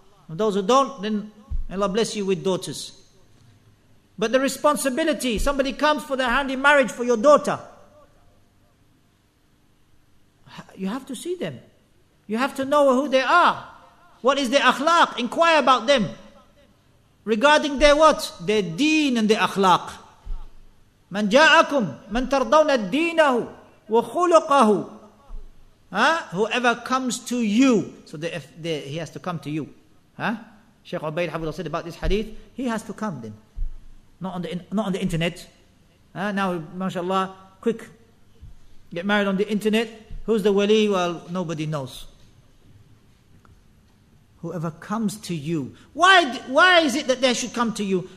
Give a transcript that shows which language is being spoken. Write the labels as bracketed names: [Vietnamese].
[English] And those who don't, then Allah bless you with daughters. But the responsibility, somebody comes for the hand in marriage for your daughter. You have to see them. You have to know who they are. What is their akhlaq? Inquire about them. Regarding their what? Their deen and their akhlaq. [Arabic] من جاءكم من ترضون دينه وخلقه [English] Whoever comes to you. So he has to come to you. Sheikh Ubayd Hafidhullah said about this hadith, he has to come then. Not on the internet. Now, mashallah, quick. Get married on the internet. Who's the wali? Well, nobody knows. Whoever comes to you. Why is it that they should come to you?